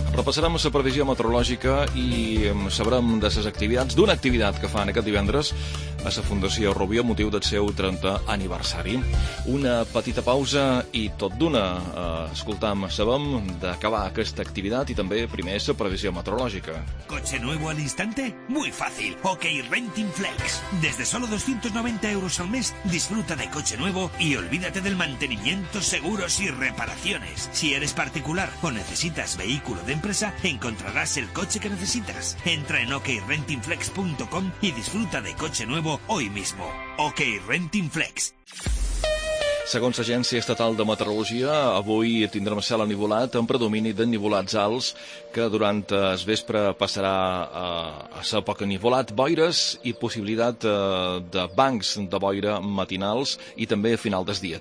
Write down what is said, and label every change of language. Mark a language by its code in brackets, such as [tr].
[ca] Repassarem la previsió meteorològica i sabrem de les activitats, d'una activitat que fan aquest divendres a la Fundació Rubió, motiu del seu 30 aniversari. Una petita pausa i tot d'una, escoltam, sabem d'acabar aquesta activitat i també primer la previsió meteorològica. [es] ¿Coche nuevo al instante? Muy fácil. OK Renting Flex. Desde solo 290 euros al mes, disfruta de coche nuevo y olvídate del mantenimiento. Mantenimientos, seguros y reparaciones. Si eres particular o necesitas vehículo de empresa, encontrarás el coche que necesitas. Entra en okrentingflex.com y disfruta de coche nuevo hoy mismo. OK Renting Flex. [ca] Segons l'Agència Estatal de Meteorologia, avui tindrem cel anivolat amb predomini de nivolats alts, que durant el vespre passarà a ser poc anivolat, boires i possibilitat de bancs de boira matinals i també a final del dia.